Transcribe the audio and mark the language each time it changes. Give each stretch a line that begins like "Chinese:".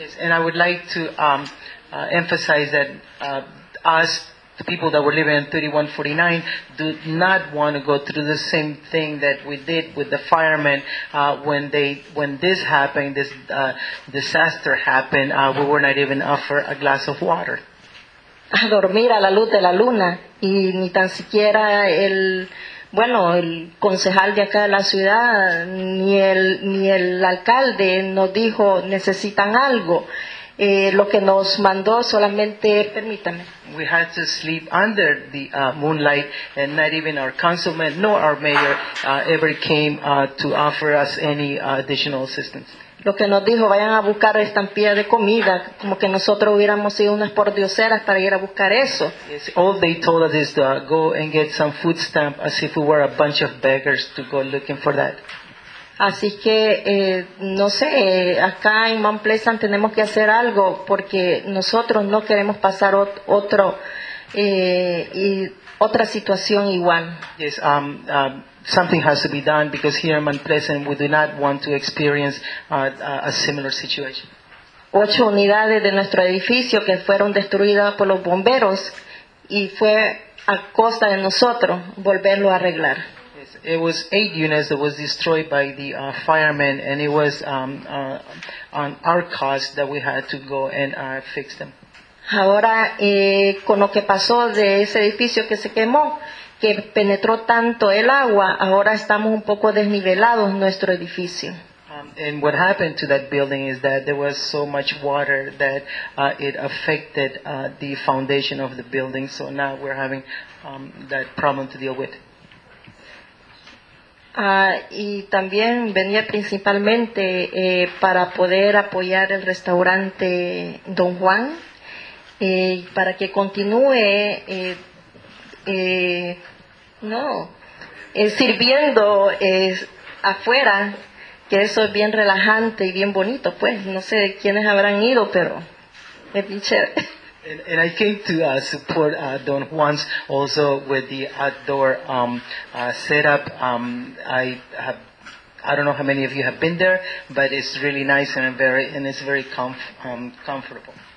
English: Yes, and I would like to emphasize that us, the people that were living in 3149, do not want to go through the same thing that we did with the firemen when this disaster happened. We were not even offered a glass of water.
Spanish: A dormir a la luz de la luna y ni tan siquiera el bueno, el concejal de acá de la ciudad, ni el alcalde nos dijo, necesitan algo. Lo que nos mandó solamente, permítame.
English: We had to sleep under the moonlight, and not even our councilman nor our mayor ever came to offer us any additional assistance.
Spanish: Lo que nos dijo, vayan a buscar estampillas de comida, como que nosotros hubiéramos sido unas pordioseras para ir a buscar eso.
English: Yes, all they told us is to go and get some food stamp, as if we were a bunch of beggars to go looking for that.
Spanish: Así que, no sé, acá en Mount Pleasant tenemos que hacer algo, porque nosotros no queremos pasar otro y otra situación igual.
English: Yes, something has to be done because here in Mount Pleasant we do not want to experience a similar situation.
Spanish: 8 unidades de nuestro edificio que fueron destruidas por los bomberos y fue a costa de nosotros volverlo a arreglar.
English: Yes, it was 8 units that was destroyed by the firemen and it was on our cost that we had to go and fix them.
Spanish: Ahora con lo que pasó de ese edificio que se quemó, que penetró tanto el agua, ahora estamos un poco desnivelados nuestro edificio.
English: And what happened to that building is that there was so much water that it affected the foundation of the building. So now we're having that problem to deal with.
Spanish: Y también venía principalmente para poder apoyar el restaurante Don Juan para que continúe sirviendo afuera. Que eso es bien relajante y bien bonito, pues. No sé quiénes habrán ido, pero es bien chévere.
English: And I came to support Don Juan's also with the outdoor setup. I don't know how many of you have been there, but it's really nice and it's very comfortable.